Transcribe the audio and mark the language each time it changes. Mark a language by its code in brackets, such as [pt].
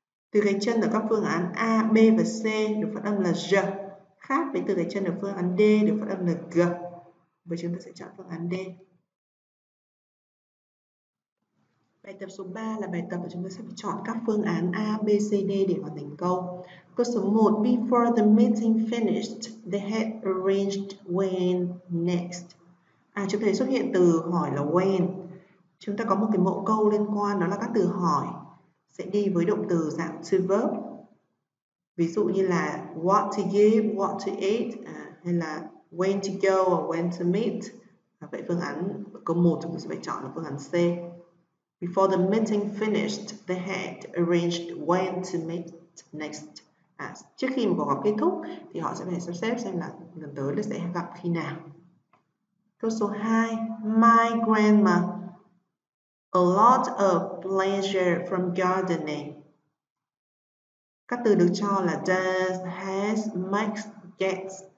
[vi] Từ gạch chân ở các phương án A, B và C được phát âm là j, khác với từ gạch chân ở phương án D được phát âm là g. Và chúng ta sẽ chọn phương án D. Bài tập số 3 là bài tập mà chúng ta sẽ chọn các phương án A, B, C, D để hoàn thành câu. Câu số 1, [en] before the meeting finished, they had arranged when next. [vi] À, chúng ta thấy xuất hiện từ hỏi là when. Chúng ta có một cái mẫu câu liên quan, đó là các từ hỏi sẽ đi với động từ dạng [en] to verb. [vi] Ví dụ như là [en] what to give, what to eat, [vi] hay là [en] when to go or when to meet. [vi] Vậy phương án câu 1 chúng ta sẽ phải chọn là phương án C. [en] Before the meeting finished, they had arranged when to meet next. [vi] À, trước khi mà cuộc họp kết thúc thì họ sẽ phải sắp xếp xem là lần tới là sẽ gặp khi nào. Câu số 2, [en] my grandma a lot of pleasure from gardening. [vi] Các từ được cho là does, has, makes, gets.